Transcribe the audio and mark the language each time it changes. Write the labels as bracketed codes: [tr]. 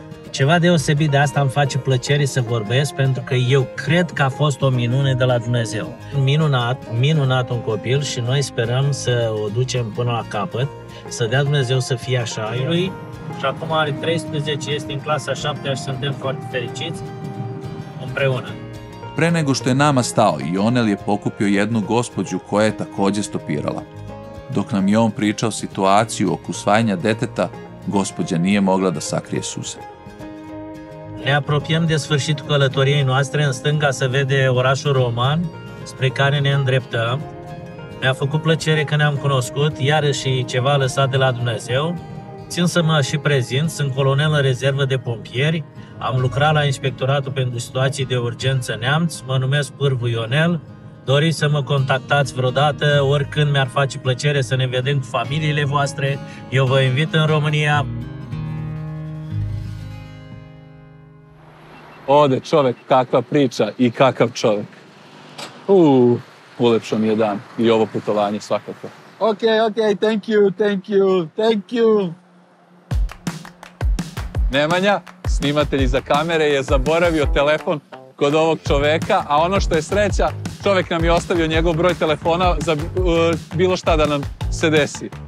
[ro] Ceva deosebit de asta îmi face plăcere să vorbesc, pentru că eu cred că a fost o minune de la Dumnezeu. Minunat, minunat un copil și noi sperăm să o ducem până la capăt, să dea Dumnezeu să fie așa. Lui. Și acum are 13, este în clasa 7 și suntem foarte fericiți împreună. [sr] Pre nego što je nama stao, Ionel je pokupio jednu gospođu koja je takođe stopirala. Dok nam je on pričao situaciju oko usvajanja deteta, gospođa nije mogla da sakrije suze. [ro] Ne apropiem de sfârșitul călătoriei noastre, în stânga se vede orașul Roman, spre care ne îndreptăm. Mi-a făcut plăcere că ne-am cunoscut, iarăși ceva lăsat de la Dumnezeu. Țin să mă și prezint, sunt colonel în rezervă de pompieri, am lucrat la Inspectoratul pentru Situații de Urgență Neamț, mă numesc Pârvu Ionel, doriți să mă contactați vreodată, oricând mi-ar face plăcere să ne vedem cu familiile voastre, eu vă invit în România. [sr] Ode čovek, kakva priča i kakav čovek. ulepšao mi je dan i ovo putovanje svakako. [en] Okay, thank you. [sr] Nemanja, snimatelj iza kamere, je zaboravio telefon kod ovog čoveka, a ono što je sreća, čovek nam je ostavio njegov broj telefona za bilo šta da nam se desi.